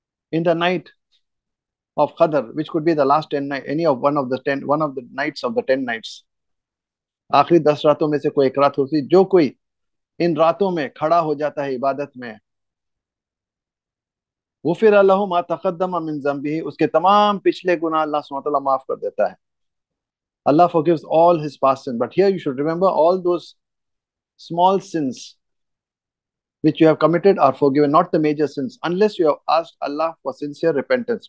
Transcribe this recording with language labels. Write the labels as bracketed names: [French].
[English] in the night of Qadr, which could be the last 10 night, any of one of the 10, one of the nights of the 10 nights. [Urdu] آخری 10 راتوں میں سے کوئی ایک رات ہوتی جو کوئی ان راتوں میں کھڑا ہو جاتا ہے عبادت میں, [Arabic] غفر اللہ ما تقدم من ذنبہ, [Urdu] اس کے تمام پچھلے گناہ اللہ سبحانہ وتعالیٰ معاف کر دیتا ہے. [English] Allah forgives all his past sins, but here you should remember all those small sins which you have committed are forgiven, not the major sins, unless you have asked Allah for sincere repentance.